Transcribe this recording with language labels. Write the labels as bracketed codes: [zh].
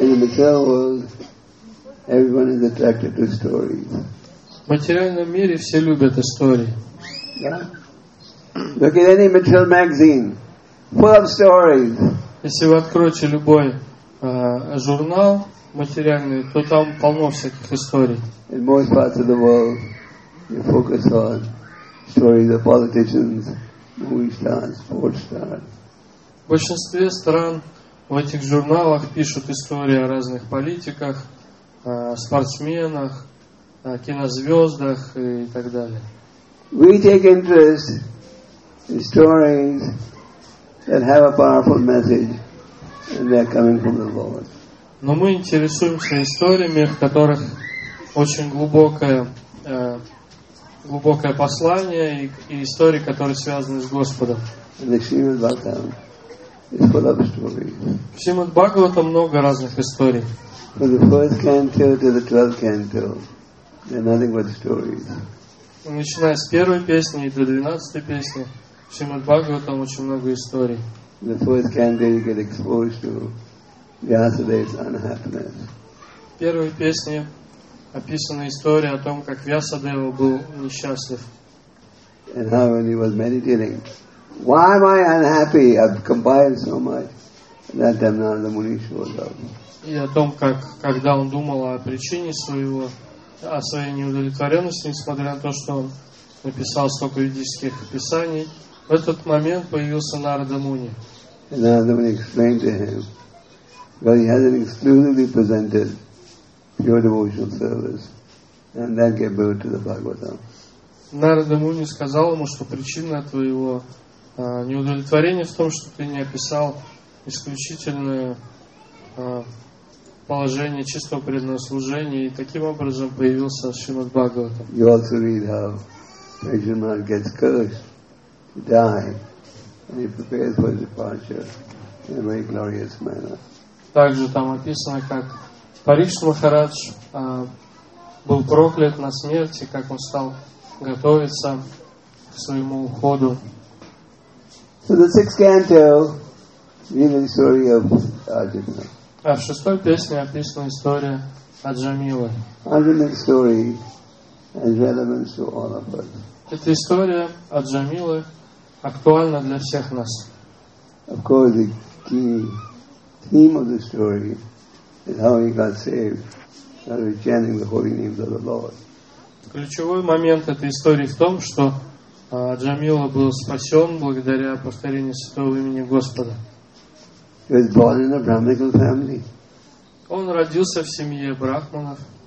[en] In the material world, everyone is attracted to stories. [ru] В материальном мире все любят истории. [en] Look at any material magazine, full of stories. [ru] Если вы откроете любой журнал материальный, то там полно всяких историй. [en] In most parts of the world, you focus on stories of politicians, movie stars, sports stars. [ru] В большинстве стран в этих журналах пишут истории о разных политиках, спортсменах, кинозвездах и так далее. [en] We take interest in stories that have a powerful message, and they are coming from the Lord. [ru] Но мы интересуемся историями, в которых очень глубокое послание и истории, которые связаны с Господом. В Шримад-Бхагаватам много разных историй. [en] From the first canto to the 12th canto, they're nothing but stories. [ru] Начиная с первой песни и до 12-й песни, в Шримад-Бхагаватам очень много историй. [en] The first canto you get exposed to Vyasadeva's unhappiness. [ru] В первой песне описана история о том, как Вьясадева был несчастлив. [en] And how when he was meditating, why am I unhappy? I've compiled so much. And that time Narada Muni showed up. [ru] И о том, как когда он думал о причине своего, о своей неудовлетворенности, несмотря на то, что он написал столько ведических писаний, в этот момент появился Нарада Муни. [en] And Narada Muni explained to him, well, he hasn't exclusively presented pure devotional service, and that gave birth to the Bhagavatam. [ru] Narada Muni сказал ему, что причина твоего неудовлетворения в том, что ты не описал исключительное положение чистого преданного служения, и таким образом появился Шримад Бхагаватам. [en] You also read how Vaishnava gets cursed to die, and he prepares for his departure in a very glorious manner. [ru] Также там описано, как Парикшит Махарадж был проклят на смерти, как он стал готовиться к своему уходу. [en] So the sixth canto, the story of Arjuna. [ru] А в шестой песне описана история Аджамилы. [en] Arjuna's story is relevant to all of us. [ru] Эта история Аджамилы актуальна для всех нас. [en] Of course, the key theme of the story is how he got saved by chanting the holy names of the Lord. [ru] Ключевой момент этой истории в том, что Аджамила был спасен благодаря повторению святого имени Господа. [en] He was born in a Brahmical family. [ru] Он родился в семье брахманов.